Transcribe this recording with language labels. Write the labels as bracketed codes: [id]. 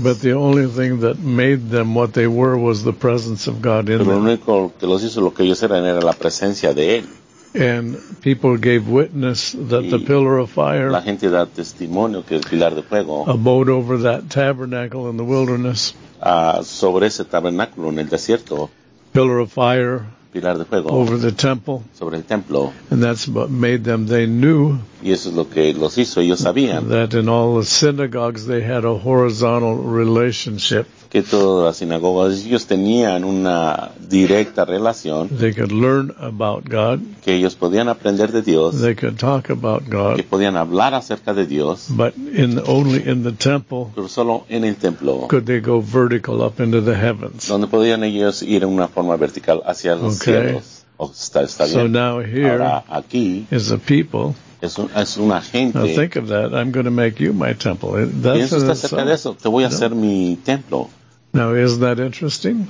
[en] But the only thing that made them what they were was the presence of God in them. [es] Lo único que los hizo lo que ellos eran era la presencia de él. [en] And people gave witness that the pillar of fire, [es] la gente da testimonio que el pilar de fuego, [en] abode over that tabernacle in the wilderness. [es] Sobre ese tabernáculo en el desierto, [en] pillar of fire, [es] pilar de fuego, [en] over the temple, [es] sobre el templo. [en] And that's what made them, they knew, [es] y eso es lo que los hizo, ellos sabían, [en] that in all the synagogues they had a horizontal relationship. [es] Que todas las sinagogas ellos tenían una directa relación. [en] They could learn about God. [es] Que ellos podían aprender de Dios. [en] They could talk about God. [es] Que podían hablar acerca de Dios. [en] But only in the temple. [es] Pero solo en el templo. [en] Could they go vertical up into the heavens? [es] Donde podían ellos ir en una forma vertical hacia los cielos. Oh, está bien. [en] So now here, [es] ahora aquí [en] is a people. [es] Es una gente. [en] Now think of that. I'm going to make you my temple. [es] Te voy a hacer mi templo. [en] Now isn't that interesting?